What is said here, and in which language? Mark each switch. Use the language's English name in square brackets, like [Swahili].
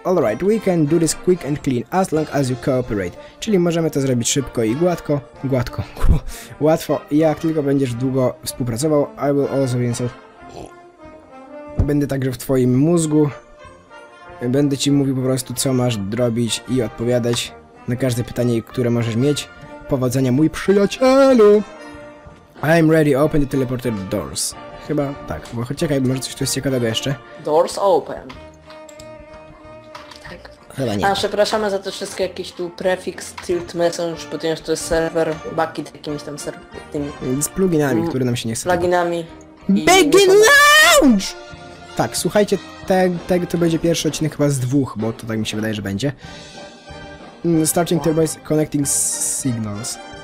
[English] Alright, we can do this quick and clean, as long as you cooperate. [Polish] Czyli możemy to zrobić szybko i gładko. Łatwo, jak tylko będziesz długo współpracował, [English] I will also be inside. [Polish] Będę także w twoim mózgu. Będę ci mówił po prostu co masz robić i odpowiadać na każde pytanie, które możesz mieć. Powodzenia mój przyjacielu! [English] I'm ready, open the teleported doors. [Polish] Chyba tak, bo czekaj, może coś tu jest ciekawego jeszcze. [English] Doors open. [Polish] Tak. Chyba nie. A przepraszamy za te wszystkie jakieś tu prefix, tilt, message, ponieważ to jest serwer, bucket jakimiś tam serwerem. Z pluginami, które nam się nie chce. Pluginami. [English] Begin Lounge! [Polish] Tak, słuchajcie, to będzie pierwszy odcinek chyba z dwóch, bo to tak mi się wydaje, że będzie. [English] Starting turbines, connecting signals.